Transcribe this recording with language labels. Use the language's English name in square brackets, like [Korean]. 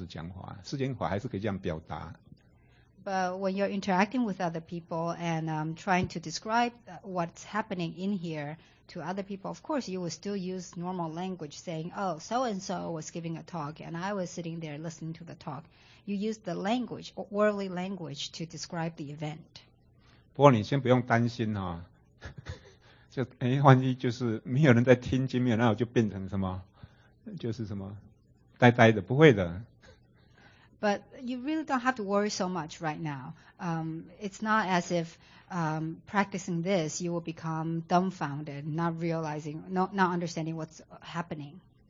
[Chinese] 但是依照世间火来讲，就是什么，你会说啊，某某人在那边听某某法师讲话，世间火还是可以这样表达。 [English] But when you're interacting with other people and trying to describe what's happening in here to other people, of course, you will still use normal language saying, oh, so-and-so was giving a talk and I was sitting there listening to the talk. You use the language, worldly language, to describe the event. [Chinese] 不过你先不用担心，万一就是没有人在听经，没有，那我就变成什么，就是什么，呆呆的，不会的。 [English] But you really don't have to worry so much right now. It's not as if practicing this, you will become dumbfounded, not realizing, not understanding what's happening.